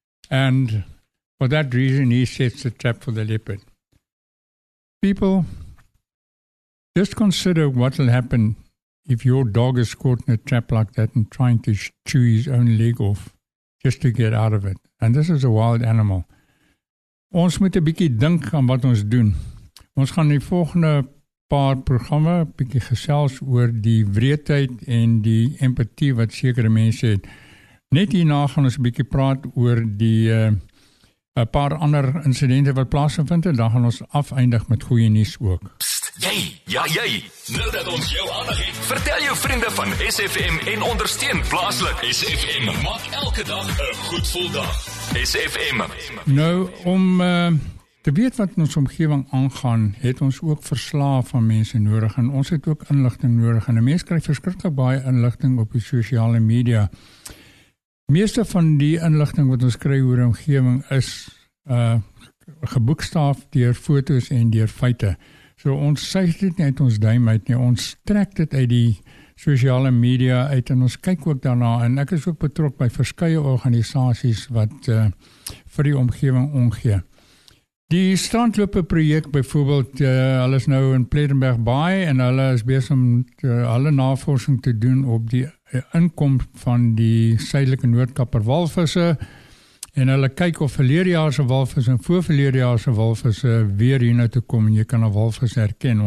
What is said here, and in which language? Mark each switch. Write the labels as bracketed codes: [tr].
[en] And for that reason, he sets the trap for the leopard. People, just consider what will happen if your dog is caught in a trap like that and trying to chew his own leg off just to get out of it. And this is a wild animal. [af] Ons moet 'n bietjie dink aan wat ons doen. Ons gaan die volgende paar programme bietjie gesels oor die wreedheid en die empatie wat sekere mense het. Net hierna gaan ons bietjie praat oor die 'n paar ander insidente wat plaasgevind het, dan gaan ons afeindig met goeie nuus ook. Jy, ja jy, nou dat ons jou aandag het, vertel jou vriende van SFM en ondersteun plaaslik. SFM maak elke dag 'n goed vol dag. SFM. Nou, om te weet wat in ons omgewing aangaan, het ons ook verslae van mense nodig en ons het ook inligting nodig. En die mens kry verskriklik baie inligting op die sosiale media. Meeste van die inligting wat ons kry oor die omgewing is geboekstaaf deur foto's en deur feite. So ons suig dit nie uit ons duim uit nie, ons trek dit uit die sosiale media uit en ons kyk ook daarna. En ek is ook betrok by verskeie organisasies wat vir die omgewing omgee. Die strandloope projek byvoorbeeld, hulle is nou in Plettenberg Baai en hulle is besig om hulle navorsing te doen op die inkom van die suidelike noordkapper walvisse en hulle kyk of verledejaarse walvisse en voorverledejaarse walvisse weer hierna te kom en jy kan al walvisse herken.